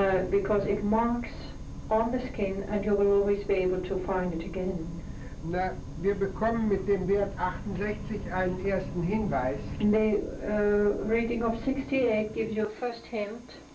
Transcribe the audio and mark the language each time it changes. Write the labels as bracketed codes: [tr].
[en] Because it marks on the skin and you will always be able to find it again. [de] Na, wir bekommen mit dem Wert 68 einen ersten Hinweis. [en] The reading of 68 gives you a first hint.